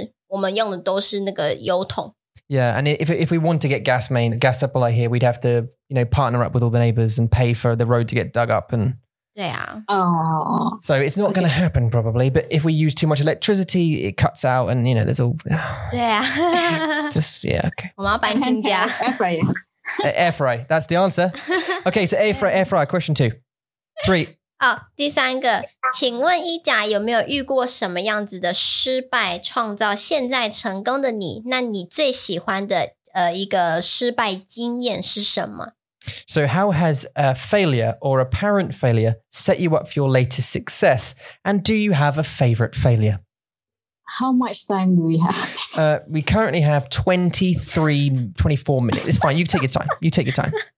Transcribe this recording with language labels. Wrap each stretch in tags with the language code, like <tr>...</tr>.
<zh>所以就是我们用的都是那个油桶。</zh> <en>Yeah, and if we want to get gas supply here, we'd have to, you know, partner up with all the neighbors and pay for the road to get dug up and... Yeah. Oh. So it's not going to happen probably, but if we use too much electricity, it cuts out and, you know, there's all... Yeah. Just, yeah, okay.</en> <zh>我们要搬新家。</zh> <en>Air fry, that's the answer. Okay, so air fry, question two. Three.</en> <zh>第三个,请问一甲有没有遇过什么样子的失败创造现在成功的你,那你最喜欢的一个失败经验是什么?</zh> <en>So how has a failure or apparent failure set you up for your latest success? And do you have a favorite failure? How much time do we have? We currently have 24 minutes. It's fine. You take your time.</en>